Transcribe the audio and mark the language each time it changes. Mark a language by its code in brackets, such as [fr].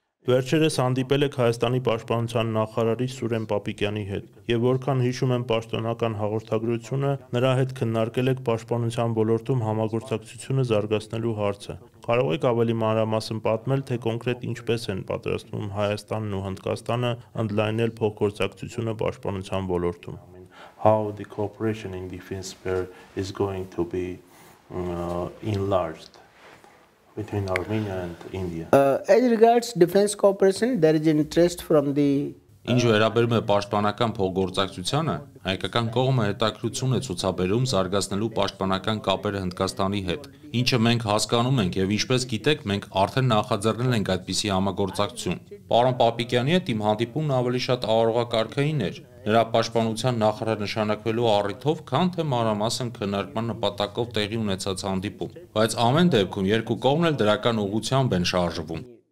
[hy] Վերջերս հանդիպել եք Հայաստանի պաշտպանության նախարարի Սուրեն Պապիկյանի հետ, եւ որքան հիշում եմ պաշտոնական հաղորդագրությունը, նրա հետ քննարկել եք պաշտպանության ոլորտում համագործակցությունը զարգացնելու հարցը։ Կարող եք ավելի մանրամասն պատմել, թե կոնկրետ ինչպես են պատրաստվում Հայաստանն ու Հնդկաստանը ընդլայնել փոխգործակցությունը պաշտպանության ոլորտում։ [en] How the cooperation in defense sphere is going to be enlarged between Armenia and India. As regards defense cooperation, there is interest from the [hy] Ինչ վերաբերում է պաշտպանական փոխգործակցությանը, հայկական կողմը հետաքրություն է ցուցաբերում զարգացնելու պաշտպանական կապերը Հնդկաստանի հետ։ Ինչը մենք հասկանում ենք եւ ինչպես գիտեք, մենք արդեն նախաձեռնել ենք այդպիսի համագործակցություն։ Պարոն Պապիկյանի հետ իմ հանդիպումն ավելի շատ առողակարքային էր, նրա պաշտպանության նախարար նշանակվելու առիթով, քան թե մանրամասն քննարկման նպատակով տեղի ունեցած հանդիպում, բայց ամեն դեպքում երկու կողմն էլ դրական ուղղությամբ են շարժվում։